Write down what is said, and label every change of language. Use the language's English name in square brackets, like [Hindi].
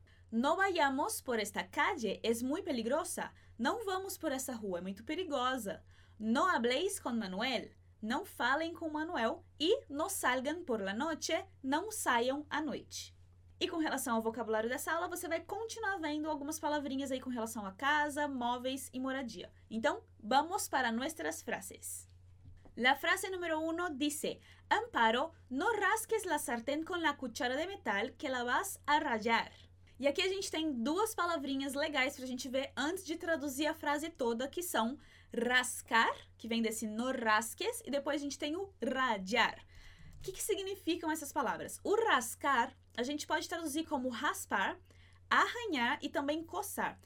[Spanish] No vayamos por esta calle. Es muy peligrosa. [Portuguese] Não vamos por essa rua. É muito perigosa. [Spanish] No habléis con Manuel. [Portuguese] Não falem com o Manuel e [Spanish] no salgan por la noche, [Portuguese] não saiam à noite. E com relação ao vocabulário dessa aula, você vai continuar vendo algumas palavrinhas aí com relação a casa, móveis e moradia. Então, vamos para [Spanish] nuestras frases. La frase número 1 dice: Amparo, no rasques la sartén con la cuchara de metal que la vas a rayar. [Portuguese] E aqui a gente tem duas palavrinhas legais para a gente ver antes de traduzir a frase toda, que são rascar, que vem desse no rasques, e depois a gente tem o radiar. O que significam essas palavras? O rascar, a gente pode traduzir como raspar, arranhar e também coçar.